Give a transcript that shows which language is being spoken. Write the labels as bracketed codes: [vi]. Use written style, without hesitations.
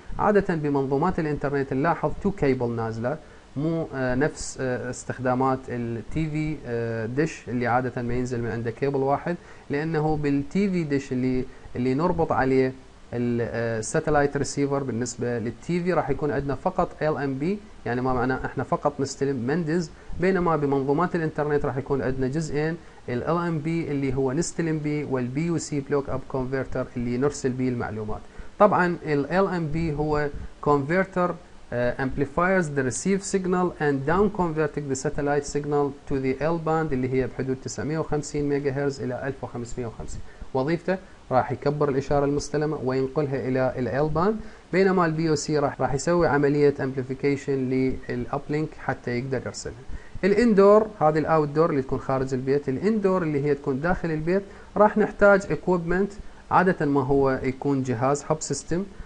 [ar] عادة بمنظومات الإنترنت نلاحظ 2 كيبل نازلة، مو نفس استخدامات الـ TV Dish اللي عادة ما ينزل من عنده كيبل واحد، لأنه بالـ TV Dish اللي نربط عليه الـ Satellite Receiver بالنسبة للـ TV راح يكون عندنا فقط LNB، يعني ما معناه احنا فقط نستلم مندز، بينما بمنظومات الانترنت راح يكون عندنا جزئين، الـ LNB اللي هو نستلم به والـ BUC Block Up Converter اللي نرسل به المعلومات. طبعا الـ LNB هو [en] Converter amplifies the receive signal and down converting the satellite signal to the L band [ar] اللي هي بحدود 950 ميجا هيرز إلى 1550. وظيفته راح يكبر الإشارة المستلمة وينقلها إلى الـ L band، بينما الـ BOC راح يسوي عملية amplification للـ uplink حتى يقدر يرسلها. الاندور هذه الاوتدور اللي تكون خارج البيت، الاندور اللي هي تكون داخل البيت راح نحتاج equipment، عادة ما هو يكون جهاز hub system